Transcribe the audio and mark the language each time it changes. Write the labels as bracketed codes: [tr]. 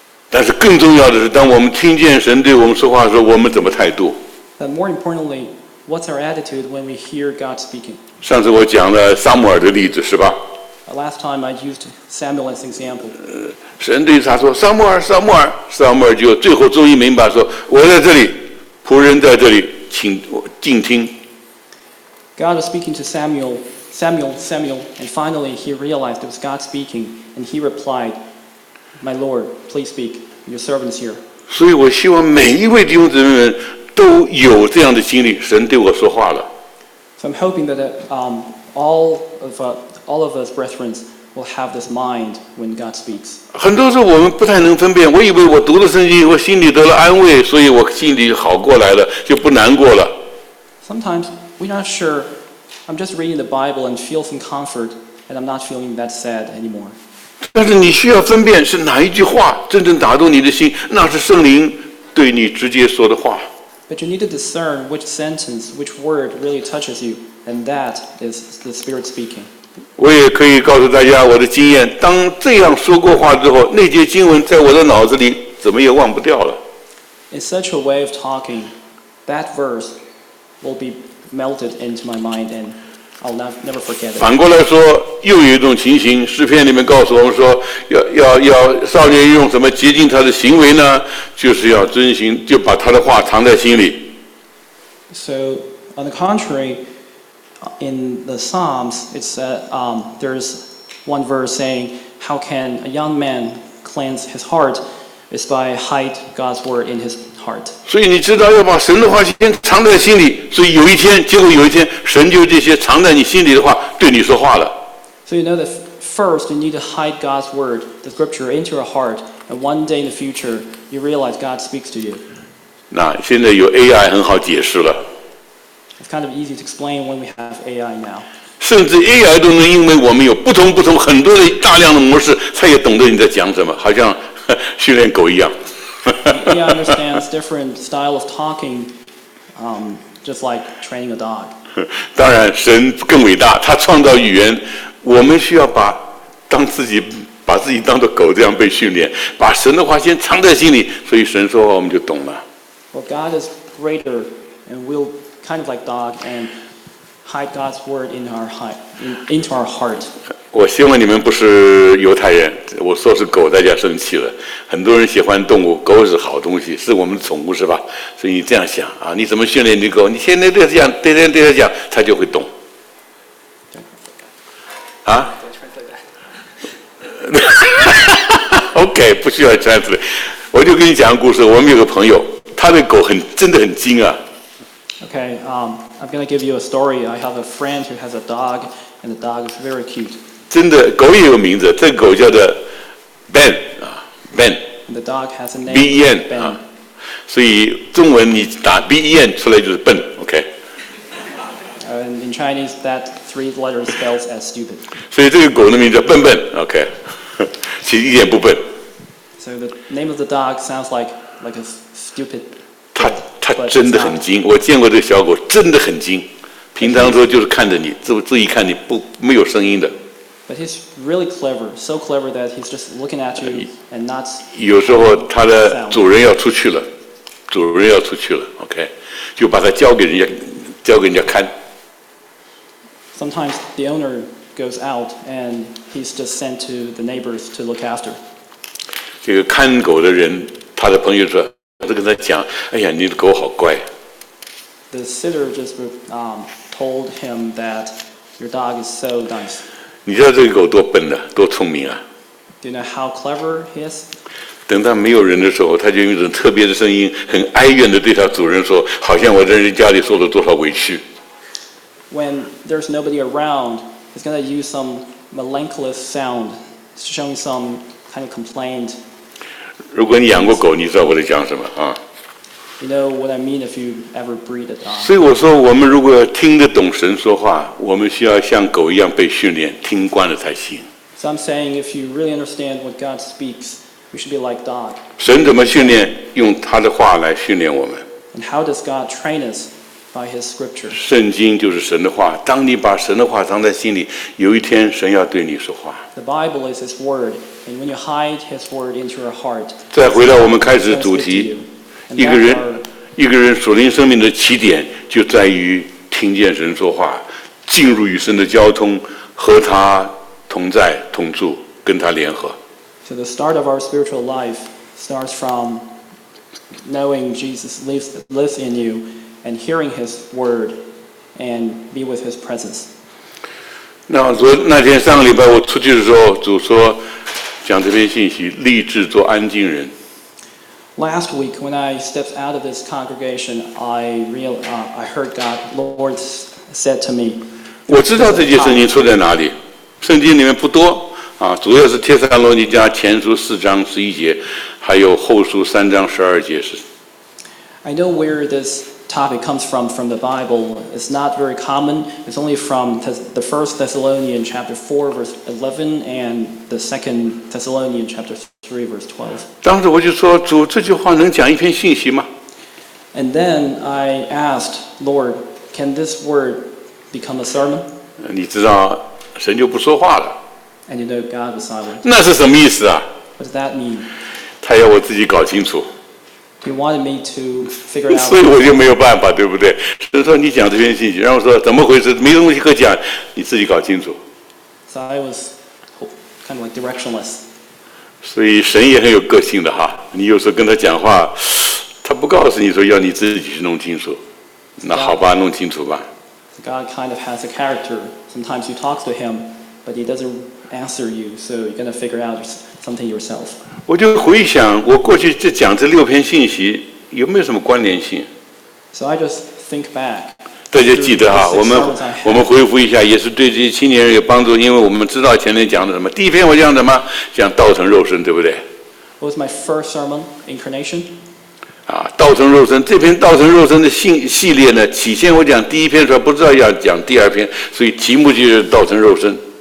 [zh] 但是更重要的是，当我们听见神对我们说话的时候，我们怎么态度 [en] ？But more importantly, what's our attitude when we hear God speaking? [zh] 上次我讲了撒母耳的例子，是吧 [en] ？Last time I used Samuel as example. [zh] 神对他说：“撒母耳，撒母耳。” 撒母耳就最后终于明白说：“我在这里，仆人在这里，请静听。 [en] ”God is speaking to Samuel. Samuel, and finally he realized it was God speaking, and he replied, My Lord, please speak, your servant is here. [zh] 所以我希望每一位弟兄姊妹们都有这样的经历，神对我说话了。 [en] So I'm hoping that all of us brethren will have this mind when God speaks. [zh] 很多时候我们不太能分辨，我以为我读了圣经，我心里得了安慰，所以我心里好过来了，就不难过了。 [en] Sometimes we're not sure. I'm just reading the Bible and feel some comfort, and I'm not feeling that sad anymore. [zh] 但是你需要分辨是哪一句话真正打动你的心，那是圣灵对你直接说的话。 [en] But you need to discern which sentence, which word really touches you, and that is the Spirit speaking. [zh] 我也可以告诉大家我的经验，当这样说过话之后，那节经文在我的脑子里怎么也忘不掉了。 [en] In such a way of talking, that verse will be. Melted into my mind, and I'll never forget it. [zh] 反过来说，又有一种情形，诗篇里面告诉我们说，要少年用什么洁净他的行为呢？就是要遵循，就把他的话藏在心里。 [en] So, on the contrary, in the Psalms, it's there's one verse saying, "How can a young man cleanse his heart? It's by hide God's word in his." [zh] 所以你知道要把神的话先藏在心里，所以有一天，结果有一天，神就这些藏在你心里的话对你说话了。 [en] So you know that first you need to hide God's word, the scripture, into your heart, and one day in the future you realize God speaks to you. [zh] 那现在有 AI 很好解释了。 [en] It's kind of easy to explain when we have AI now. [zh] 甚至 AI 都能因为我们有不同很多的大量的模式，它也懂得你在讲什么，好像训练狗一样。 [en] AI understands different style of talking, just like training a dog. [zh] 当然，神更伟大，他创造语言。我们需要把自己当作狗这样被训练，把神的话先藏在心里，所以神说话我们就懂了。 [en] Well, God is greater, and we'll kind of like dog and hide God's word in our heart, into our heart. [zh] 我希望你们不是犹太人，我说是狗，大家生气了。很多人喜欢动物，狗是好东西，是我们的宠物，是吧？所以你这样想啊，你怎么训练你的狗？你现在对它讲，对它对它讲，它就会懂。啊？OK， 不需要 translate。我就跟你讲个故事。我们有个朋友，他的狗真的很精啊。 [en] Okay, I'm gonna give you a story. I have a friend who has a dog, and the dog is very cute. [zh] 真的，狗也有名字，这个、狗叫做 Ben 啊 ，Ben。 [en] The dog has a name. B E N、 Ben. [zh] 啊，所以中文你打 B E N 出来就是笨 ，OK。 [en] And in Chinese, that three letters spells as stupid. [zh] 所以这个狗的名字叫笨笨 ，OK， 其实一点不笨。 [en] So the name of the dog sounds like a stupid. [zh] 它真的很精，我见过这个小狗，真的很精。平常说就是看着你，注意看你不没有声音的。 [en] But he's really clever, so clever that he's just looking at you and not. [zh] 有时候他的主人要出去了 ，OK， 就把他交给人家看。 [en] Sometimes the owner goes out and he's just sent to the neighbors to look after. [zh] 这个看狗的人，他的朋友说，他跟他讲，哎呀，你的狗好乖。 [en] The sitter just told him that your dog is so nice. [zh] 你知道这个狗多笨的，多聪明啊 [en] ！Do you know how clever he is? [zh] 等到没有人的时候，他就用一种特别的声音，很哀怨的对他主人说：“好像我在人家里受了多少委屈。” [en] When there's nobody around, he's going to use some melancholous sound, showing some kind of complaint. [zh] 如果你养过狗，你知道我在讲什么啊？ [en] You know what I mean if you ever breed a dog. [zh] 所以我说，我们如果要听得懂神说话，我们需要像狗一样被训练，听惯了才行。 [en] So I'm saying, if you really understand what God speaks, you should be like dog. [zh] 神怎么训练？用他的话来训练我们。 [en] And how does God train us by His Scripture? [zh] 圣经就是神的话。当你把神的话藏在心里，有一天神要对你说话。 [en] The Bible is His Word, and when you hide His Word into your heart, [zh] 再回到我们开始的主题。一个人属灵生命的起点就在于听见神说话，进入与神的交通，和他同在同住，跟他联合。 [en] So the start of our spiritual life starts from knowing Jesus lives in you and hearing His word and be with His presence. [zh] 那天上个礼拜我出去的时候，主说讲这篇信息，立志做安静人。 [en] Last week, when I stepped out of this congregation, I heard God, Lord, said to me. [zh] 我知道这节圣经出在哪里，圣经里面不多啊，主要是帖撒罗尼迦前书四章十一节，还有后书三章十二节是。 [en] I know where this topic comes from the Bible. It's not very common. It's only from the First Thessalonians chapter 4 verse 11 and the Second Thessalonians chapter 3 verse 12. [zh] 当时我就说，主，这句话能讲一篇信息吗？ [en] And then I asked, Lord, can this word become a sermon? [zh] 你知道，神就不说话了。 [en] And you know God was silent. [zh] 那是什么意思啊？ [en] What does that mean? [zh] 他要我自己搞清楚。 [en] He wanted me to figure out. [zh] 所以我就没有办法，对不对？所以说你讲这篇信息，然后说怎么回事，没东西可讲，你自己搞清楚。 [en] So I was kind of like directionless. [zh] 所以神也很有个性的哈，你有时候跟他讲话，他不告诉你说要你自己去弄清楚，那好吧，弄清楚吧。 [en] God kind of has a character. Sometimes you talk to him, but he doesn't answer you, so you're gonna figure out something yourself. [zh] 我就回想我过去这讲这六篇信息有没有什么关联性。 [en] So I just think back. [zh] 大家记得啊，我们回复一下，也是对这些青年人有帮助，因为我们知道前面讲的什么。第一篇我讲什么？讲道成肉身，对不对 [en] ？What was my first sermon, incarnation? [zh] 啊，道成肉身，这篇道成肉身的系列呢，起先我讲第一篇的时候不知道要讲第二篇，所以题目就是道成肉身。